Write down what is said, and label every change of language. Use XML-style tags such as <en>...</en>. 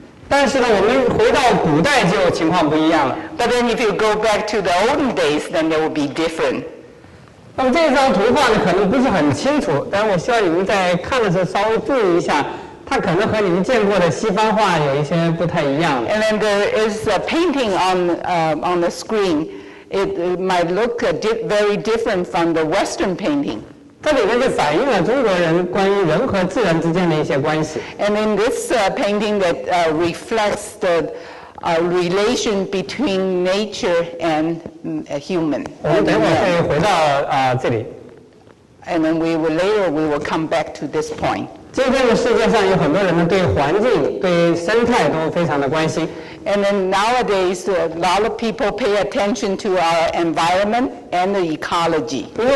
<zh>但是呢，我们回到古代就情况不一样了。</zh> <en>But then, if you go back to the olden days, then it will be different.</en> <zh>那么这张图画呢，可能不是很清楚，但我希望你们在看的时候稍微注意一下，它可能和你们见过的西方画有一些不太一样。</zh> <en>And then there is a painting on the screen. It might look very different from the Western painting.</en> <zh>这里面就反映了中国人关于人和自然之间的一些关系。</zh> <en>And in this painting that reflects the relation between nature and human.</en> <zh>我们等会儿会回到这里。</zh> <en>And then we will come back to this point.</en> <zh>今天的世界上有很多人呢对环境、对生态都非常的关心。</zh> <en>And then nowadays, a lot of people pay attention to our environment and the ecology.</en>